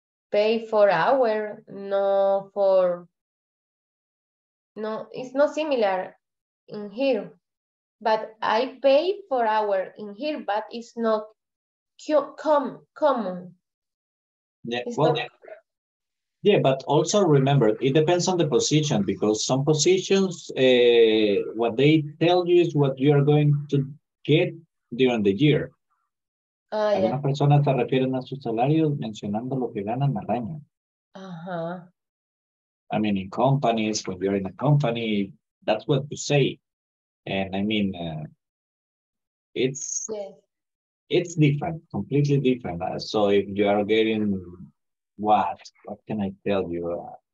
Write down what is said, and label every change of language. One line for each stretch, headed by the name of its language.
English: Pay for hour, no for, no, it's not similar in here, but I pay for hour in here, but it's not common. Yeah, but also remember, it depends on the position, because some positions, what they tell you is what you are going to get during the year. Yeah.
Spanish: Algunas personas se refieren a su salario mencionando lo que ganan al año. Uh-huh.
English: I mean, in companies, when you're in a company, that's what you say. And I mean, it's different, completely different. So if you are getting what can I tell you?